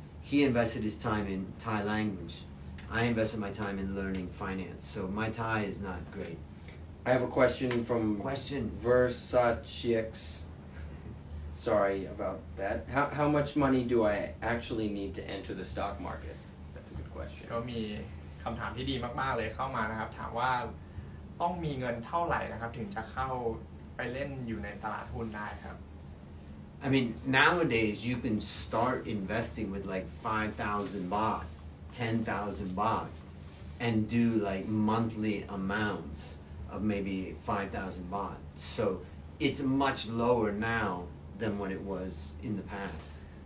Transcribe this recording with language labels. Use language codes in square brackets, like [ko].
[en] He invested his time in Thai language. I invested my time in learning finance. So my Thai is not great. I have a question from Versace X. Sorry about that. How much money do I actually need to enter the stock market? That's a good question. [th] ก็มีคำถามที่ดีมากๆเลยเข้ามานะครับถามว่าต้องมีเงินเท่าไหร่นะครับถึงจะเข้าไปเล่นอยู่ในตลาดหุ้นได้ครับ [en] I mean, nowadays you can start investing with like 5,000 baht, 10,000 baht and do like monthly amounts of maybe 5,000 baht. So, it's much lower now. Than what it was in the past.